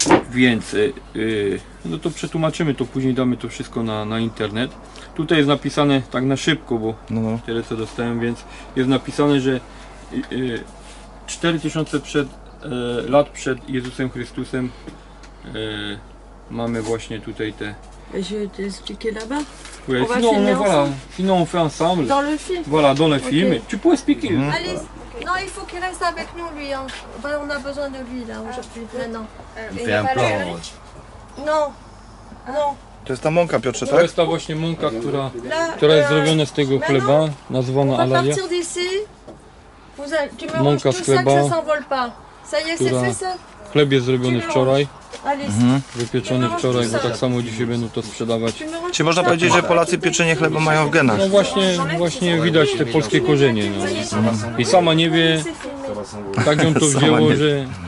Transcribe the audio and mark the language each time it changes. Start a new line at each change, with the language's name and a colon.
Polish: Więc, no to przetłumaczymy to, później damy to wszystko na internet. Tutaj jest napisane, tak na szybko, bo tyle co dostałem, więc jest napisane, że 4000 lat przed Jezusem Chrystusem mamy właśnie tutaj te...
French: Je vais t'expliquer là-bas. Ouais, sinon on fait ensemble. Dans le film. Voilà, dans le film. Okay. Tu peux expliquer. Allez. Okay. Non, il faut qu'il reste avec nous, lui. Hein. Ben, on a besoin de lui, là, aujourd'hui, maintenant. Il fait un plan. Non. Ah. Non.
Polish: To jest ta mąka, Piotrze, tak? To jest ta właśnie mąka, która jest zrobiona z tego chleba, nazwana Alaya.
French: À partir d'ici, tu me manges tout ça, que ça s'envole pas. Ça y est, c'est fait ça.
Polish: Chleb jest zrobiony wczoraj, wypieczony wczoraj, bo tak samo dzisiaj będą to sprzedawać. Czy można powiedzieć, że Polacy pieczenie chleba mają w genach? No właśnie widać te polskie korzenie. No. I sama nie wie, tak ją to wzięło, że...